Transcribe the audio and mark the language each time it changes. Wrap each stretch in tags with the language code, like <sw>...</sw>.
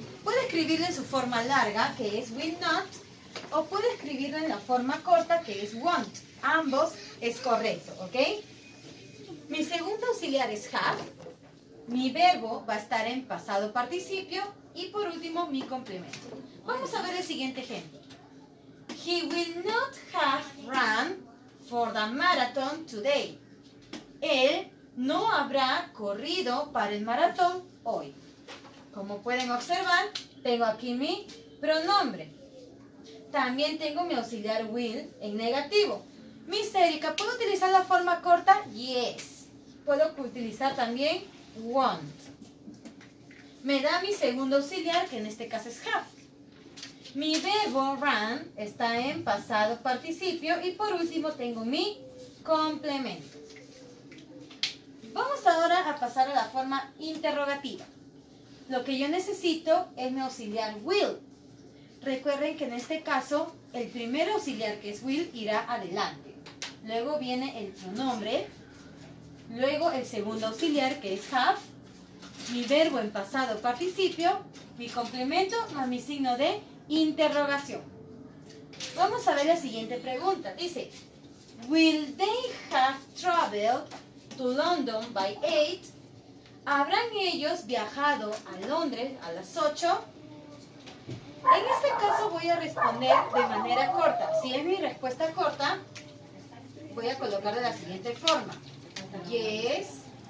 <es>Puede escribirlo en su forma larga, que es will not, o puede escribirlo en la forma corta, que es won't. Ambos es correcto, ¿ok? Mi segundo auxiliar es have. Mi verbo va a estar en pasado participio. Y por último, mi complemento. Vamos a ver el siguiente ejemplo.</es> <en>He will not have run for the marathon today.</en> <es>Él no habrá corrido para el maratón hoy. Como pueden observar, tengo aquí mi pronombre. También tengo mi auxiliar will en negativo. Miss Erika, ¿puedo utilizar la forma corta? Yes. Puedo utilizar también won't. Me da mi segundo auxiliar, que en este caso es have. Mi verbo run está en pasado participio. Y por último tengo mi complemento. Vamos ahora a pasar a la forma interrogativa. Lo que yo necesito es mi auxiliar will. Recuerden que en este caso, el primer auxiliar, que es will, irá adelante. Luego viene el pronombre. Luego el segundo auxiliar, que es have. Mi verbo en pasado participio. Mi complemento más mi signo de interrogación. Vamos a ver la siguiente pregunta. Dice,</es> <en>will they have traveled to London by 8?</en> <es>¿Habrán ellos viajado a Londres a las 8? En este caso voy a responder de manera corta. Si es mi respuesta corta, voy a colocar de la siguiente forma. Yes.</es>